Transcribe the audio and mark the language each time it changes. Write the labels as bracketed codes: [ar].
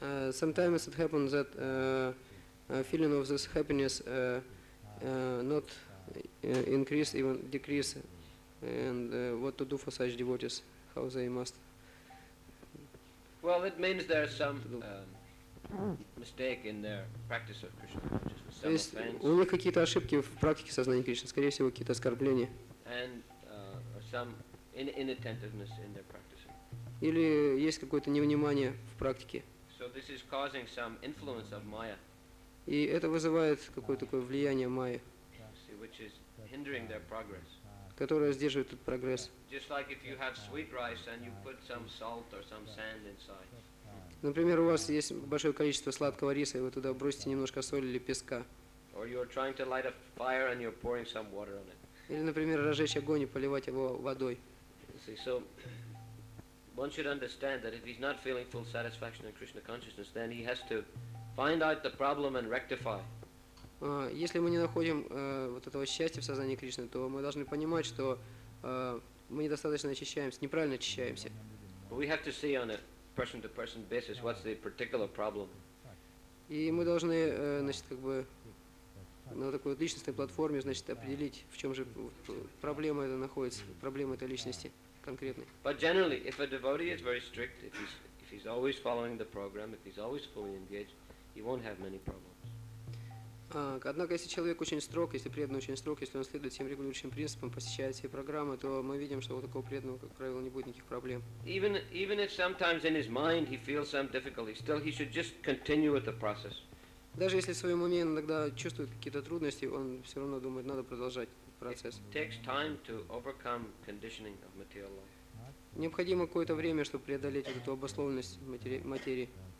[en] Sometimes it happens that feeling of this happiness not increase, even decrease. And what to do for such devotees? How they must? Well, it means there is some mistake in their practice of Krishna consciousness. [ru] У них какие-то ошибки в практике сознания Кришны, скорее всего, какие-то оскорбления. [en] And some inattentiveness in their practice. [ru] Или есть какое-то невнимание в практике. [en] So this is causing some influence of Maya. [ru] И это вызывает какое-то такое влияние Майи, [en] which is hindering their progress. [ru] Которое сдерживает этот прогресс. [en] Just like if you have sweet rice and you put some salt or some sand inside. [ru] Например, у вас есть большое количество сладкого риса, и вы туда бросите немножко соли или песка. [en] Or you're trying to light a fire and you're pouring some water on it. [ru] Или, например, разжечь огонь и поливать его водой. [en] One should understand that if he's not feeling full satisfaction in Krishna consciousness, then he has to find out the problem and rectify. [ru] Если мы не находим вот этого счастья в сознании Кришны, то мы должны понимать, что мы недостаточно очищаемся, неправильно очищаемся. [en] But we have to see on a person-to-person basis what's the particular problem. [ru] И мы должны, значит, как бы на такой вот личностной платформе, значит, определить, в чем же проблема эта находится, проблема этой личности. [en] But generally, if a devotee is very strict, if he's always following the program, if he's always fully engaged, he won't have many problems. [ru] Однако, если человек очень строг, если преданный очень строг, если он следует всем регулирующим принципам, посещает все программы, то мы видим, что у такого преданного, как правило, не будет никаких проблем. [en] Even if sometimes in his mind he feels some difficulty, still he should just continue with the process. [ru] Даже если в своем уме иногда чувствует какие-то трудности, он все равно думает, надо продолжать. [en] Process. It takes time to overcome conditioning of material life. [ru] Необходимо какое-то время, чтобы преодолеть эту обусловленность материи.